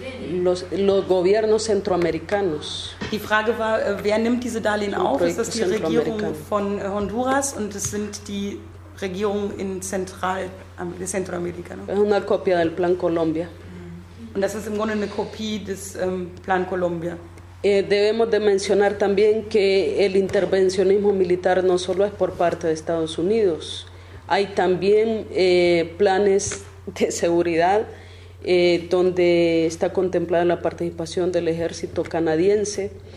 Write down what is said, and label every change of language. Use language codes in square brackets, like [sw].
[es] Los gobiernos centroamericanos. [de] Die Frage war, wer nimmt diese Darlehen auf? Ist das die Regierung von Honduras und es sind die Regierungen in Zentralamerika? [es] Es una copia del Plan Colombia. [de] Und das ist im Grunde eine Kopie des Plan Colombia. [es] Debemos de mencionar también que el intervencionismo militar no solo es por parte de Estados Unidos. Hay también planes de seguridad donde está contemplada la participación del ejército canadiense.